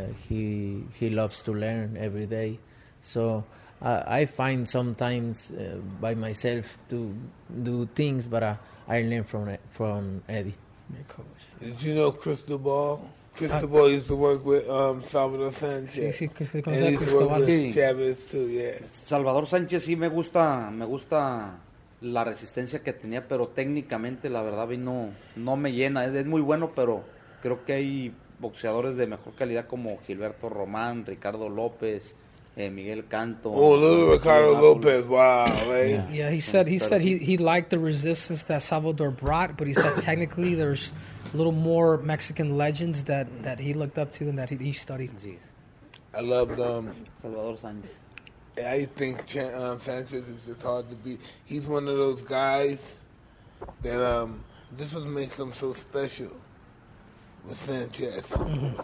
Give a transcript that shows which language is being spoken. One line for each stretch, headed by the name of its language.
English: He loves to learn every day. So I find sometimes by myself to do things, but I learned from Eddie, my coach. Did you know Cristobal used to work with Salvador Sanchez?
Spanish: Sí,
English: and he used to work with Chavez too, yeah.
Spanish: Salvador Sanchez, sí, me gusta la resistencia que tenía, pero técnicamente, la verdad, no me llena. Es muy bueno, pero creo que hay boxeadores de mejor calidad como Gilberto Román, Ricardo López, Miguel Canto.
English: Oh, little Ricardo Lopez. Wow, right? Yeah, he said he liked the resistance that Salvador brought, but he said technically there's a little more Mexican legends that he looked up to and that he studied. Jeez. I loved Salvador Sanchez. I think Sanchez is just hard to beat. He's one of those guys that this was making him so special with Sanchez. Mm-hmm.